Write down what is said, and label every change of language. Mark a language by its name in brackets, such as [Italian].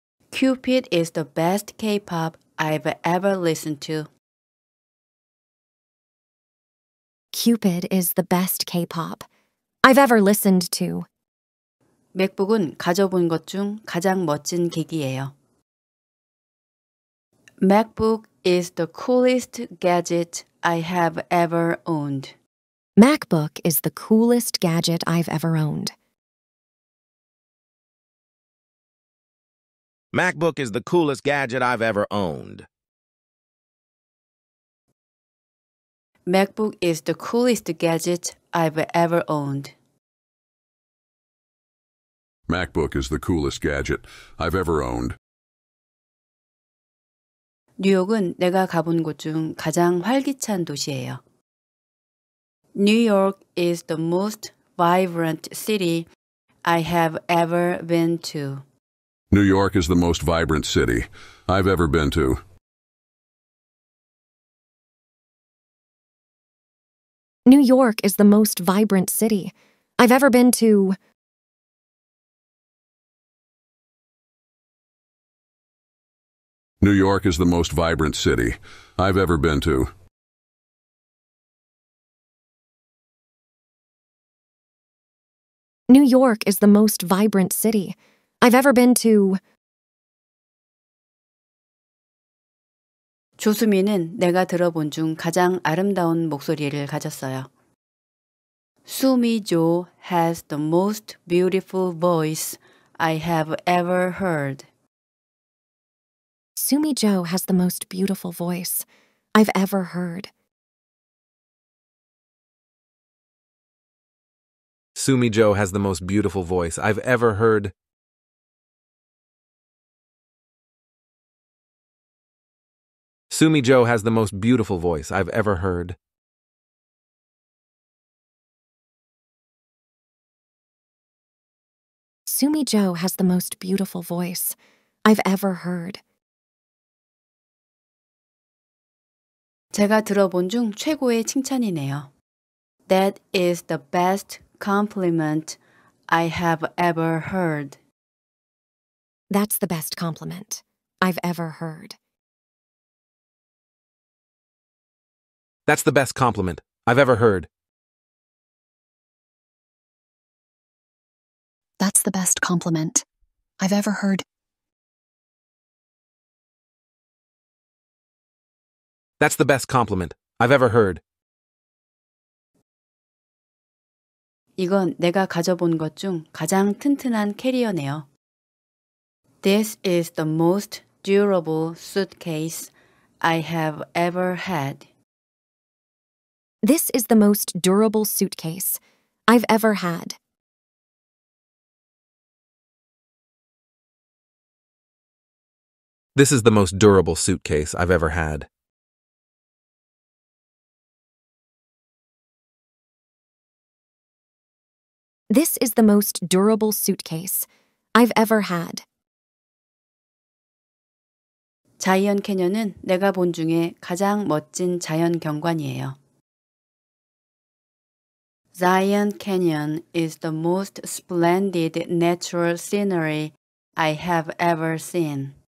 [English] Cupid is the best K-pop I've ever listened to. Cupid is the best K-pop I've ever listened to. [Korean] 맥북은 가져본 것 중 가장 멋진 기기예요. [English] MacBook is the coolest gadget I have ever owned. MacBook is the coolest gadget I've ever owned. MacBook is the coolest gadget I've ever owned. MacBook is the coolest gadget I've ever owned. MacBook is the coolest gadget I've ever owned. [Korean] 뉴욕은 내가 가본 곳 중 가장 활기찬 도시예요. [English] New York is the most vibrant city I have ever been to. New York is the most vibrant city I've ever been to. New York is the most vibrant city I've ever been to. New York is the most vibrant city I've ever been to. New York is the most vibrant city I've ever been to. [Korean] 조수미는 내가 들어본 중 가장 아름다운 목소리를 가졌어요. [English] Sumi Jo has the most beautiful voice I have ever heard. Sumi Jo has the most beautiful voice I've ever heard. Sumi Jo has the most beautiful voice I've ever heard. Sumi Joe has the most beautiful voice I've ever heard. Sumi Joe has the most beautiful voice I've ever heard. [Korean] 제가 들어본 중 최고의 칭찬이네요. [English] That is the best compliment I have ever heard. That's the best compliment I've ever heard. That's the best compliment I've ever heard. That's the best compliment I've ever heard. That's the best compliment I've ever heard. [Korean] 이건 내가 가져본 것 중 가장 튼튼한 캐리어네요. [English] This is the most durable suitcase I have ever had. This is the most durable suitcase I've ever had. This is the most durable suitcase I've ever had. This is the most durable suitcase I've ever had. [Korean] 자이언 캐년은 내가 본 중에 가장 멋진 자연 경관이에요. [English] Zion Canyon is the most splendid natural scenery I have ever seen.